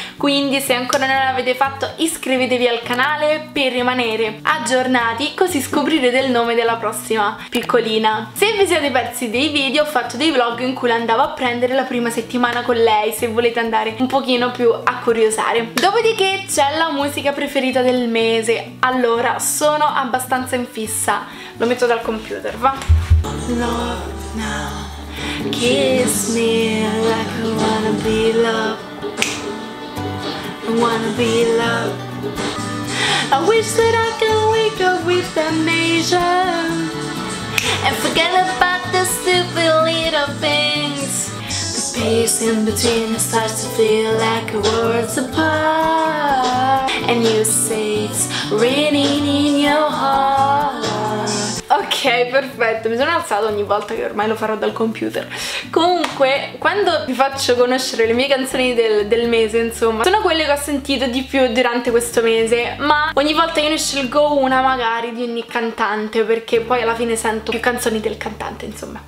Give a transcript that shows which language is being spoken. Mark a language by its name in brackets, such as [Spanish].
[Italian] Quindi se ancora non l'avete fatto, iscrivetevi al canale per rimanere aggiornati, così scoprirete il nome della prossima piccolina. Se vi siete persi dei video, ho fatto dei vlog in cui l'andavo a prendere la prima settimana con lei, se volete andare un pochino più a curiosare. Dopodiché c'è la musica preferita del mese. Allora, sono abbastanza in fissa. Lo metto dal computer, va. [English] Love now, kiss me like I wanna be love. I wanna be love. I wish that I could wake up with amnesia and forget about the stupid little things. The space in between starts to feel like a world's apart. And you say it's raining in your heart. [Italian] Ok, perfetto, mi sono alzata ogni volta che ormai lo farò dal computer. Comunque, quando vi faccio conoscere le mie canzoni del mese, insomma, sono quelle che ho sentito di più durante questo mese, ma ogni volta io ne scelgo una magari di ogni cantante, perché poi alla fine sento più canzoni del cantante, insomma.